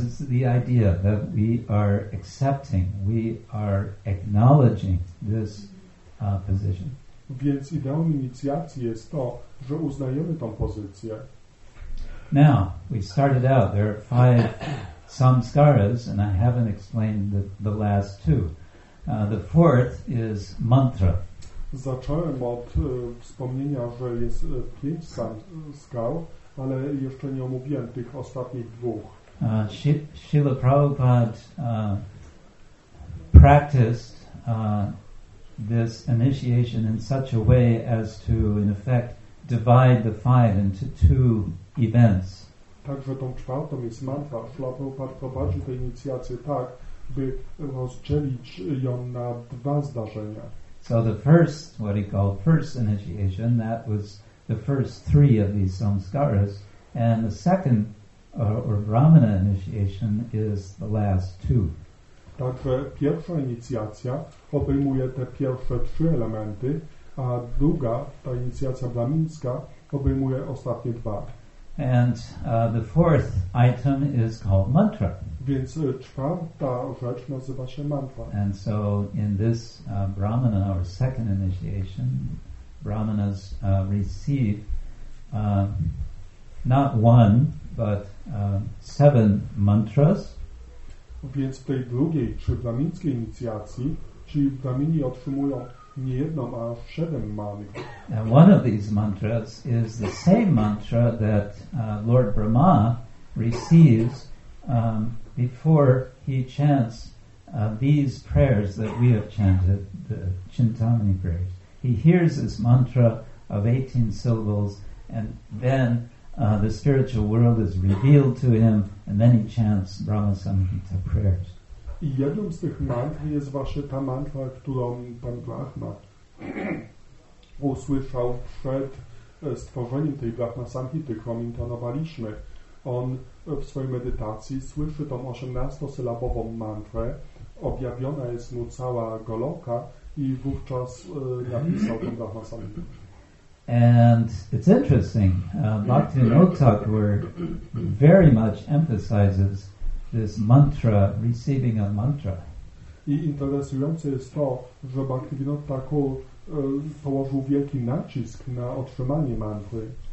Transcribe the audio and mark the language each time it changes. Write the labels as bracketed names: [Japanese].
[English] It's the idea that we are accepting, we are acknowledging this position. [Polish] Więc ideą inicjacji jest to, że uznajemy tą pozycję. [English] Now, we started out, there are five samskaras, and I haven't explained the last two. The fourth is mantra. [Polish] Zacząłem od wspomnienia, że jest pięć samskar, ale jeszcze nie omówiłem tych ostatnich dwóch. [English] Śrīla Prabhupāda practiced this initiation in such a way as to, in effect, divide the five into two events. [Polish] Także tą czwartą jest mantra. Śrīla Prabhupāda prowadził tę inicjację tak, by rozdzielić ją na dwa zdarzenia. [English] So the first, what he called first initiation, that was the first three of these samskaras, and the second, or brahmana initiation, is the last two. [Polish] Także pierwsza inicjacja obejmuje te pierwsze trzy elementy, a druga, ta inicjacja brahmińska, obejmuje ostatnie dwa. [English] And the fourth item is called mantra. [Polish] Więc czwarta rzecz nazywa się mantra. [English] And so in this brahmana, or second initiation, brahmanas receive not one, but seven mantras. [Polish] Więc w tej drugiej, czy brahmińskiej inicjacji, ci brahmini otrzymują nie jedną, a siedem mali. [English] And one of these mantras is the same mantra that Lord Brahma receives before he chants these prayers that we have chanted, the Chintamani prayers. He hears this mantra of 18 syllables, and then the spiritual world is revealed to him, and then he chants Brahma Samhita prayers. [Polish] I jedną z tych mantr jest właśnie ta mantra, którą pan Brahma usłyszał przed stworzeniem tej Brahma Samhity, którą intonowaliśmy. On w swojej medytacji słyszy tą 18-sylabową mantrę, objawiona jest mu cała Goloka i wówczas napisał tę Brahma Samhity. [English] And it's interesting, Bhaktivinoda Thakur very much emphasizes this mantra, receiving a mantra. [Polish] I interesujące jest to, że Bhaktivinoda Thakur położył wielki nacisk na otrzymanie mantry.